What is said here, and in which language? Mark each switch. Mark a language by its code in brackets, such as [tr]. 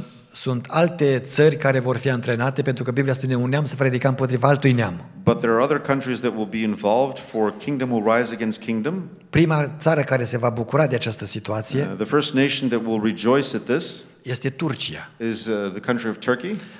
[ro] Sunt alte țări care vor fi antrenate, pentru că Biblia spune un neam să predica împotriva altui neam. [en] But there are other countries that will be involved for kingdom will rise against kingdom. [ro] Prima țară care se va bucura de această situație. [en] The first nation that will rejoice at this. [ro] Este Turcia. [en] Is the country of Turkey?